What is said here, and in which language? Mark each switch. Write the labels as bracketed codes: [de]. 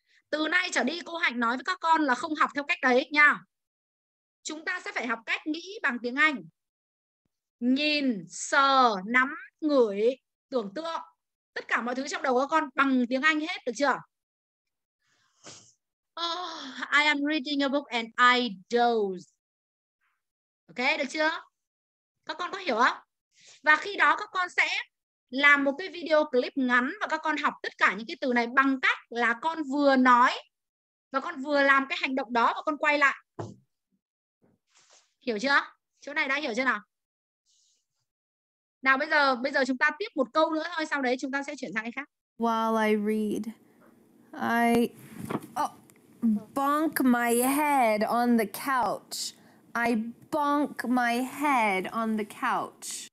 [vi] Từ nay trở đi cô Hạnh nói với các con là không học theo cách đấy nha. Chúng ta sẽ phải học cách nghĩ bằng tiếng Anh. Nhìn, sờ, nắm, ngửi, tưởng tượng. Tất cả mọi thứ trong đầu các con bằng tiếng Anh hết, được chưa? [en] Oh, I am reading a book and I doze. [vi] Ok, được chưa? Các con có hiểu không? Và khi đó các con sẽ làm một cái video clip ngắn và các con học tất cả những cái từ này bằng cách là con vừa nói và con vừa làm cái hành động đó và con quay lại. Hiểu chưa? Chỗ này đã hiểu chưa nào? Nào bây giờ chúng ta tiếp một câu nữa thôi, sau đấy chúng ta sẽ chuyển sang cái khác. [en] While I read, I bonk my head on the couch. I bonk my head on the couch.